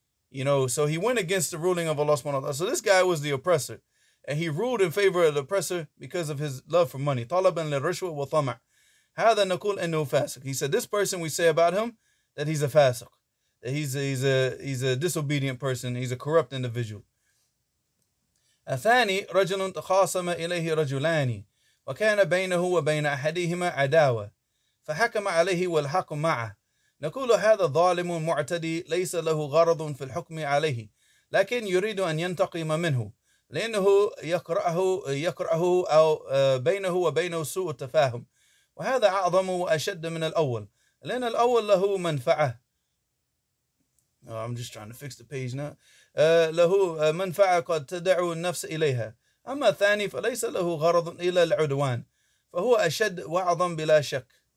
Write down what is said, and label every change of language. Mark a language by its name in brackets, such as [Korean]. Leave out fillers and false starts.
[English] You know, so he went against the ruling of Allah subhanahu wa ta'ala. So this guy was the oppressor. And he ruled in favor of the oppressor because of his love for money. [Arabic] طَلَبًا لِلْرِشْوَ وَطَمَعًا هَذَا نَقُولْ إِنُّهُ فَاسِقٌ. [English] He said, this person we say about him, that he's a fasiq. That he's a disobedient person. He's a corrupt individual. [Arabic] أَثَانِي رَجُلٌ تَخَاصَمَ إِلَيْهِ رَجُلَانِ وَكَانَ بَيْنَهُ وَبَيْنَ أَحَدِهِمَا عَدَاوَةٌ فَحَكَمَ عَلَيْهِ وَالْحَقُّ مَعَهُ نَقُولُ هَذَا ظَالِمٌ مُعْتَدِي لَيْسَ لَهُ غَرَضٌ فِي الْحُكْمِ عَلَيْهِ لَكِنْ يُرِيدُ أَنْ يَنْتَقِمَ مِنْهُ لأنه يكرهه أو بينه وبينه سوء التفاهم وهذا أعظم وأشد من الأول لأن الأول له منفعة. [English] Oh, I'm just trying to fix the page now. [Arabic] له منفعة قد تدعو النفس إليها أما الثاني فليس له غرض إلا العدوان فهو أشد وأعظم بلا شك.